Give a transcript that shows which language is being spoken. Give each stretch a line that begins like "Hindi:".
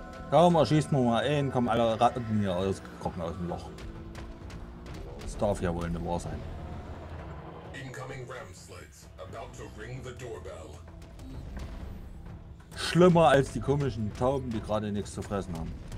German: Kaum erschießt man mal einen, kommen alle Ratten hier ausgekrochen aus dem Loch. Das darf ja wohl nicht wahr sein.
English: Incoming ram slides, about to ring the doorbell.
German: Schlimmer als die komischen Tauben, die gerade nichts zu fressen haben.